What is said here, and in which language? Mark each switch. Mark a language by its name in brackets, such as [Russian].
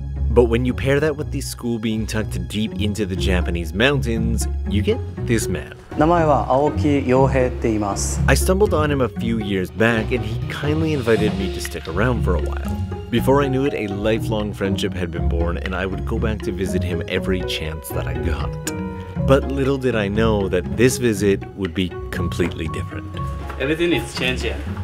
[English] But when you pair that with the school being tucked deep into the Japanese mountains, you get this man. [Japanese] 名前は青木陽平って言います. [English] I stumbled on him a few years back, and he kindly invited me to stick around for a while. Before I knew it, a lifelong friendship had been born, and I would go back to visit him every chance that I got. But little did I know that this visit would be completely different. Everything is changing. Here.